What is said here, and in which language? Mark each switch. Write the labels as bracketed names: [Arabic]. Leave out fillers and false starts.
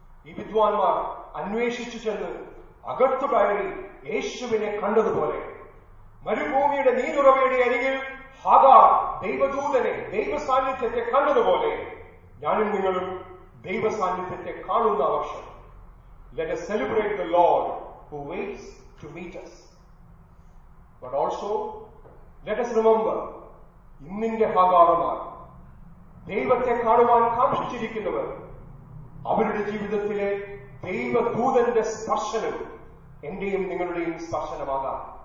[Malayalam] ഈ വിദ്വാൻമാർ അന്വേഷിച്ചു ചെന്ന് അകത്തു കയറി യേശുവിനെ കണ്ടതുപോലെ മരുഭൂമിയുടെ നീരുറവയുടെ അരികിൽ ഹാഗാർ ദൈവദൂതനെ, ദൈവ സാന്നിധ്യത്തെ കണ്ടതുപോലെ ഞാനും നിങ്ങളും ദൈവ സാന്നിധ്യത്തെ കാണുന്ന ആവശ്യം. [English] Let us celebrate the Lord who waits to meet us. But also, let us remember, [Malayalam] ഇന്നിന്റെ ഹാഗാറുമാർ ദൈവത്തെ കാണുവാൻ കാത്തിരിക്കുന്നവർ, അവരുടെ ജീവിതത്തിലെ ദൈവദൂതന്റെ സ്പർശനം എന്റെയും നിങ്ങളുടെയും സ്പർശനമാകാം.